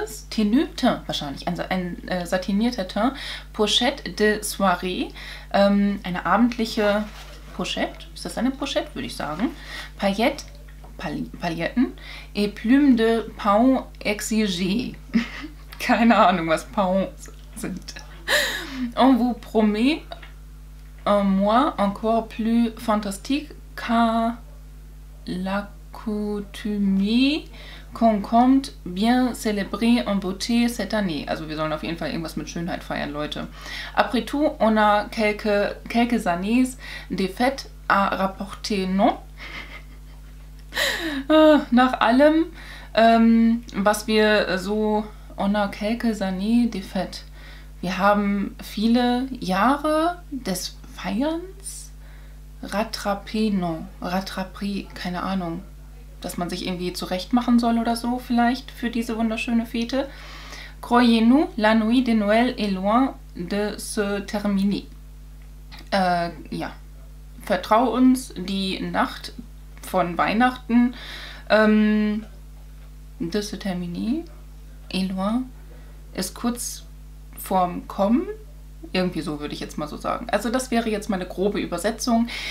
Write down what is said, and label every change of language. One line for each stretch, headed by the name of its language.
German: Satinierter Teint, Pochette de Soirée, eine abendliche Pochette, ist das eine Pochette, würde ich sagen, Pailletten,
French: et Plume de Paon exigé,
German: keine Ahnung, was Paons sind.
French: On vous promet un mois encore plus fantastique, car la coutumie qu'on compte bien célébrer en beauté cette année.
German: Also wir sollen auf jeden Fall irgendwas mit Schönheit feiern, Leute.
French: Après tout, on a quelques années de fête à rapporter, non?
German: Nach allem, was wir so...
French: on a quelques années de fête.
German: Wir haben viele Jahre des Feierns. Rattraper, keine Ahnung, dass man sich irgendwie zurecht machen soll oder so vielleicht für diese wunderschöne Fete.
French: Croyez-nous, la nuit de Noël est loin de se terminer.
German: Ja, vertrau uns, die Nacht von Weihnachten
French: de se terminer est loin,
German: ist kurz vorm Kommen. Irgendwie so würde ich jetzt mal so sagen. Also das wäre jetzt meine grobe Übersetzung.